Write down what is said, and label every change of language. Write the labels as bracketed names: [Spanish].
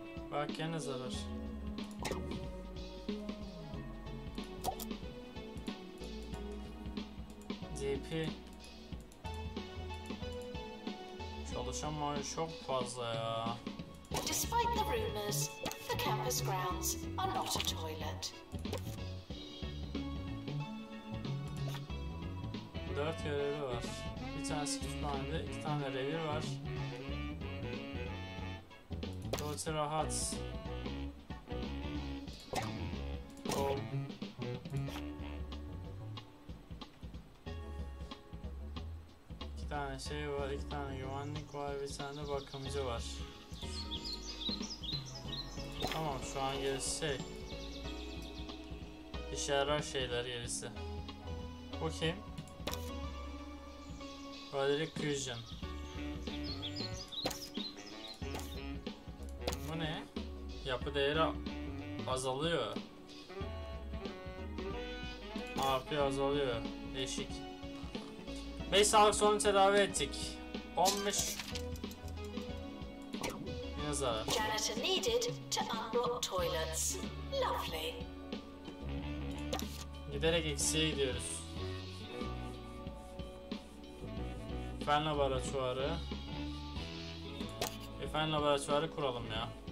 [Turkish] Bak yine zarar. DP çalışamıyor çok fazla ya. [English] Despite the rumors, the campus grounds are not a toilet. [Turkish] 4 görevi var. Bir tanesi kütüphanede, 2 tane revir var. Dolayısıyla rahat. Kol. İki tane şey var, iki tane güvenlik var, bir tane bakımcı var. Tamam, şu an gerisi şey. İşe yarar şeyler gerisi. O kim? Valerie Cusion. Bu ne? Yapı değeri azalıyor. AP azalıyor. Değişik. 5 sağlık sorunu tedavi ettik. 15 yine zarar. [English] Janitor needed to unlock toilets. Lovely. [Turkish] Giderek eksiye gidiyoruz. Fen laboratuvarı. Fen laboratuvarı kuralım ya.